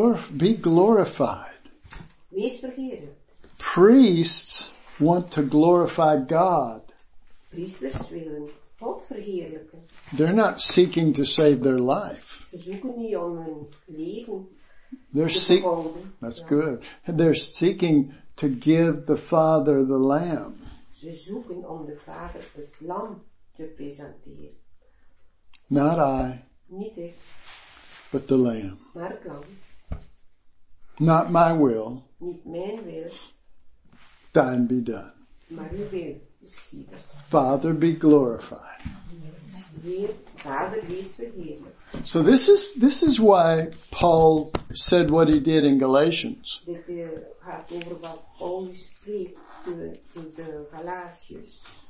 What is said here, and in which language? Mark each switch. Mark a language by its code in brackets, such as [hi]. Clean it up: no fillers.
[en] Be glorified. [nl] Wees verheerd. [en] Priests want to glorify God. [nl] Priesters willen God verheerlijken. [en] They're not seeking to save their life. [nl] Ze zoeken niet om hun leven. [en] That's good. They're seeking to give the Father the Lamb. [nl] Ze zoeken om de Vader het Lam te presenteren. [en] Not I, [nl] niet ik, [en] but the Lamb. [nl] Maar het Lam. [en] Not my will, [nl] niet mijn wil. [en] Thine be done. [nl] Maar uw wil is geschieden. [en] Father, be glorified. [nl] Vader, wees verheerlijkt. [en] So this is why Paul said what he did in Galatians. [nl] Dit gaat over wat Paul spreekt in de Galatiërs.